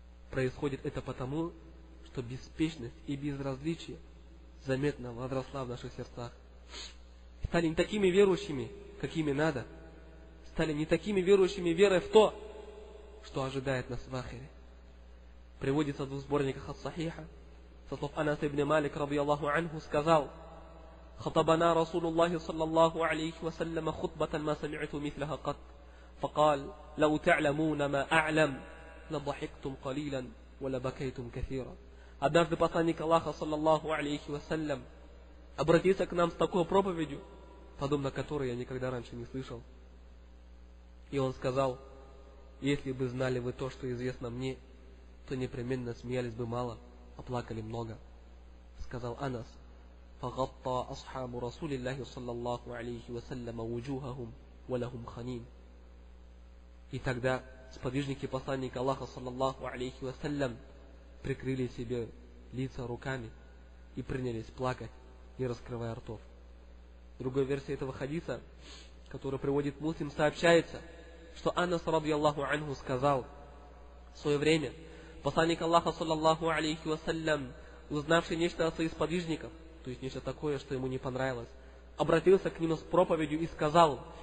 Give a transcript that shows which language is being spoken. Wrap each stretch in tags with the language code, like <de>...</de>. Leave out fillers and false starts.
<ru>Происходит это потому, что беспечность и безразличие заметно возросла в наших сердцах. Стали не такими верующими, какими надо. Стали не такими верующими верой в то, что ожидает нас в ахире. Приводится в сборниках ас-сахиха, со слов Анаса ибн Малик,</ru> <ar>رضي الله عنه,</ar> <ru>сказал:</ru> <ar>خطبنا رسول الله صلى الله عليه وسلم خطبة ما سمعت مثلها قط فقال لو تعلمون ما أعلم لضحكتم قليلا ولبكيتم كثيرا.</ar> <ru>Однажды посланник Аллаха صلى الله عليه وسلم обратился к нам с такой проповедью, подобно которой я никогда раньше не слышал. И он сказал: если бы знали вы то, что известно мне, то непременно смеялись бы мало, а плакали много. Сказал Анас:</ru> <ar>فغطى أصحاب رسول الله صلى الله عليه وسلم وجوههم ولهم خنين.</ar> <ru>И тогда сподвижники посланника Аллаха صلى الله عليه وسلم прикрыли себе лица руками и принялись плакать, не раскрывая ртов. Другой версии этого хадиса, который приводит Муслим, сообщается, что Анас رضي الله عنه сказал: в свое время посланник Аллаха صلى الله عليه وسلم, узнавший нечто о своих сподвижников, то есть нечто такое, что ему не понравилось, обратился к нему с проповедью и сказал:</ru>